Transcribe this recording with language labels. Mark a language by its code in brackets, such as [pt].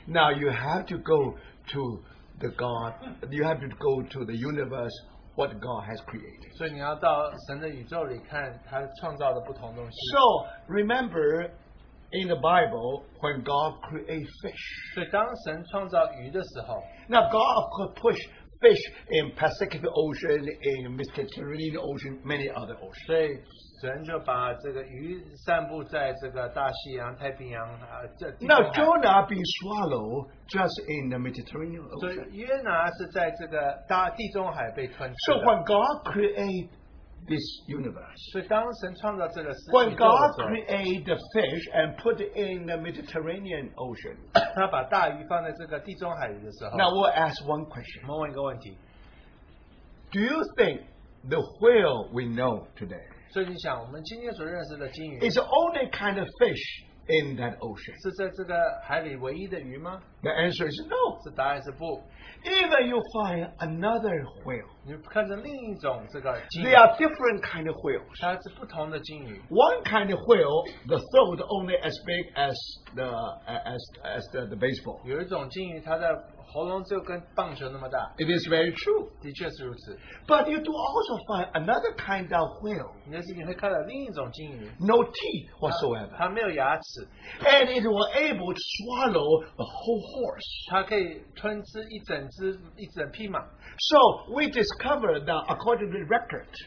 [en] now you have to go to the God, you have to go to the universe, what God has created. So, remember, in the Bible, when God created fish, [zh] 所以当神创造鱼的时候, [en] now God could push fish in Pacific Ocean, in Mediterranean Ocean, many other oceans. [zh] 神就把这个鱼散布在这个大西洋、太平洋, [en] 那 Jonah being swallowed just in the Mediterranean Ocean. [zh] 所以约拿是在这个大地中海被吞噬的。 [en] So when God created this universe, [zh] 所以当神创造这个世界, [en] when God created the fish and put it in the Mediterranean Ocean, [zh] 他把大鱼放在这个地中海里的时候, [en] now we'll ask one question. [zh] 我们问一个问题, [en] do you think the whale we know today, [zh] 所以你想我们今天所认识的鲸鱼, [en] it's the only kind of fish in that ocean. [zh] 是在这个海里唯一的鱼吗? [en] The answer is no. [zh] 是答案是不, [en] even you find another whale, [zh] 你看着另一种这个鲸鱼, [en] they are different kind of whales. [zh] 它是不同的鲸鱼。 [en] One kind of whale, the throat only as big as the baseball. [zh] 有一种鲸鱼, 它的喉咙就跟棒球那么大。 [en] It is very true. [zh] 的确是如此。 [en] But you do also find another kind of whale. [zh] 你会看到另一种鲸鱼, [en] no teeth whatsoever. [zh] 它没有牙齿。 [en] And it was able to swallow a whole horse. [zh] 它可以吞吃一整匹马。 [en] So we discovered that according to the record,